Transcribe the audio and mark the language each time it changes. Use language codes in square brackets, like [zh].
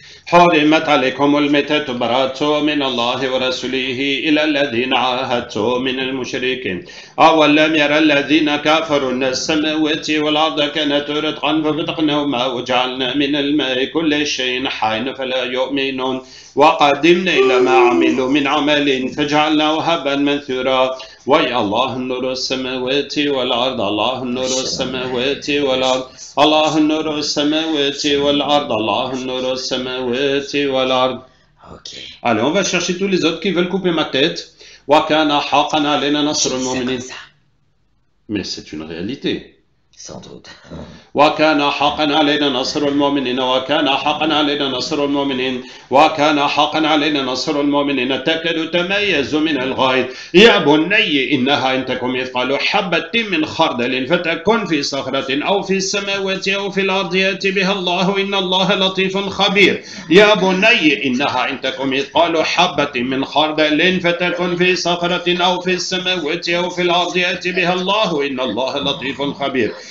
[ar] حرمت عليكم الميتة برات من الله ورسوله إلى الذين عاهدتم من المشركين أولم يرى الذين كفروا أن السماوات والأرض كانت رتقا ففتقناهما وجعلنا من الماء كل شيء حي فلا يؤمنون وقدمنا إلى ما عملوا من عمل فجعلناه هبا منثورا ويا الله نور السماوات والأرض الله نور السماوات والأرض الله نور السماوات والأرض الله نور السماوات والأرض [en] Okay. [fr] Allez, on va chercher tous les autres qui veulent couper ma tête. [ar] وَكَانَ حَقًا عَلَيْنَا نَصْرُ الْمُؤْمِنِينَ [fr] Mais c'est une réalité. Sans doute. [ar] وَكَانَ حَقًا عَلَيْنَا نَصْرُ الْمُؤْمِنِينَ وَكَانَ حَقًا عَلَيْنَا نَصْرُ الْمُؤْمِنِينَ وَكَانَ حَقًا عَلَيْنَا نَصْرُ الْمُؤْمِنِينَ تَكَادُ تَمَيَّزُ مِنَ الْغَيْظِ يَا بُنَيَّ إِنَّهَا إِنْ تَكُ مِثْقَالَ حَبَّةٍ مِنْ خَرْدَلٍ فَتَكُنْ فِي صَخْرَةٍ أَوْ فِي السَّمَاوَاتِ أَوْ فِي الْأَرْضِ يَأْتِ بِهَا اللَّهُ إِنَّ اللَّهَ لَطِيفٌ خَبِيرٌ يَا بُنَيَّ إِنَّهَا إِنْ تَكُ مِثْقَالَ حَبَّةٍ مِنْ خَرْدَلٍ فَتَكُنْ فِي صَخْرَةٍ أَوْ فِي السَّمَاوَاتِ أَوْ فِي الْأَرْضِ يَأْتِ بِهَا اللَّهُ إِنَّ اللَّهَ لَطِيفٌ خَبِيرٌ